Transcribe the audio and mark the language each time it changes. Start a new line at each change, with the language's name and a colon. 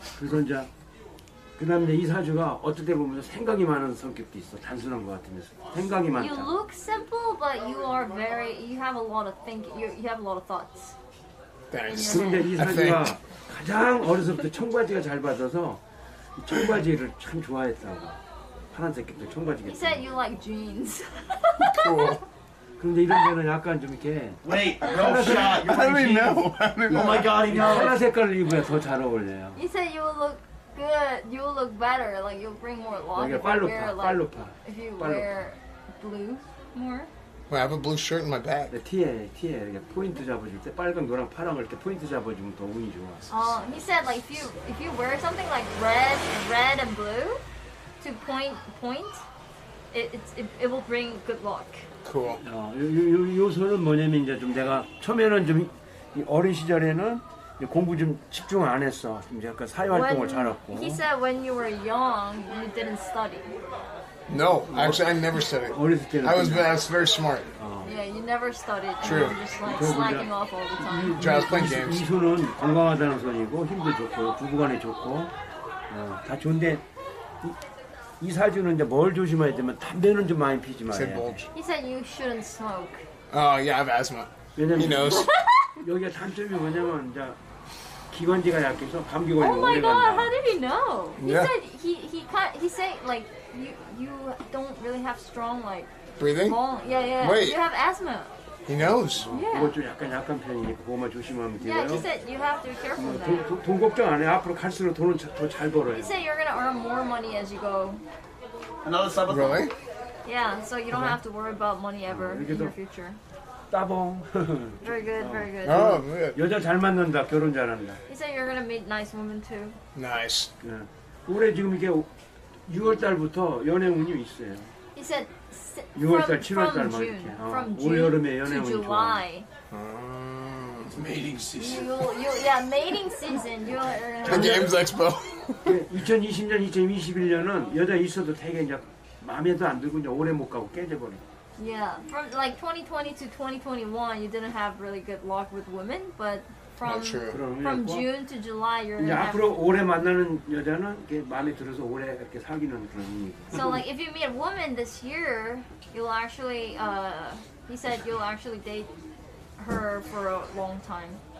Korean: 그래서 이제 그 다음 이제 이사주가 어떻게 보면 생각이 많은 성격도 있어. 단순한 것 같으면서 생각이 많다.
English: You look simple, but you are very. You have a lot of think. You have a lot of thoughts. Thanks.
Korean: 그런데 이사주가 가장 어려서부터 청바지가 잘 받아서 청바지를 참 좋아했다고. 파란색 깃들 청바지 깃들.
English: He said you like jeans. Cool.
Korean: 근데 이런 데는 약간 좀 이렇게
English: Wait, no shot. I don't even know. Oh my god, he knows.
Korean: 파란 색깔을 입으면 더 잘 어울려요.
English: He said you look good. You look better. Like you bring more love.
Korean: 이게 빨루파. 빨루파.
English: If you wear blue more. Wait, I have a blue shirt in my bag.
Korean: 네, 티에 이렇게 포인트 잡아줄 때 빨강, 노랑, 파랑 이렇게 포인트 잡아주면 더 운이 좋아.
English: He said like if you wear something like red and blue to point, it will bring good luck. Cool.
Korean: 요소는 뭐냐면 이제 좀 내가 처음에는 좀 어린 시절에는 공부 좀 집중 안 했어. 좀 약간 사회 활동을 잘 했고.
English: He said when you were young, you didn't study. No, actually, I never studied.
Korean: 어렸을 때는.
English: I was very smart. Yeah, you never studied. True. You were just like slacking off all the time. Try to play games.
Korean: 이 손은 건강하다는 손이고 힘도 좋고 부부간에 좋고 다 좋은데 이사주는 이제 뭘 조심해야 되면 담배는 좀 많이 피지 마요.
English: He said bulge. He said you shouldn't smoke. Oh yeah, I have asthma.
Korean: 왜냐면
English: He knows.
Korean: 여기가 단점이 뭐냐면 이제 기관지가 약해서 감기 걸리고.
English: Oh my god, 간다. how did he know? He yeah. said he can't. He say like you don't really have strong like breathing. Long. Yeah, yeah. Wait. You have asthma. He knows. Yeah.
Korean: 약간 약한 편이니까 그거만 조심하면 돼요.
English: Yeah, he said you have to be careful.
Korean: 돈 걱정 안 해. 앞으로 갈수록 돈은 더 잘 벌어요.
English: He said you're gonna earn more money as you go. Another sabbath. Really? Yeah. So you don't have to worry about money ever in your future.
Korean: 따봉.
English: Very good. Very good.
Korean: 여자 잘 만난다. 결혼 잘한다.
English: He said you're gonna meet nice women too. Nice.
Korean: 올해 지금 이게 6월 달부터 연애 운이 있어요.
English: He said.
Korean: 6월달,
English: from,
Korean: 7월달만
English: from
Korean: 이렇게 어, 올 여름에 연애운이 좋아.
English: It's mating season. mating season. The Games Expo.
Korean: 2020년, 2021년은 여자 있어도 되게 이제 마음에도 안 들고 이제 오래 못 가고 깨져버려.
English: Yeah, from like 2020 to 2021, you didn't have really good luck with women, but from June to July, you're.
Korean: 이제 앞으로 오래 만나는 여자는 이게 마음에 들어서 오래 이렇게 사귀는 그런 의미.
English: So like if you meet a woman this year, you'll actually, he said you'll actually date her for a long time.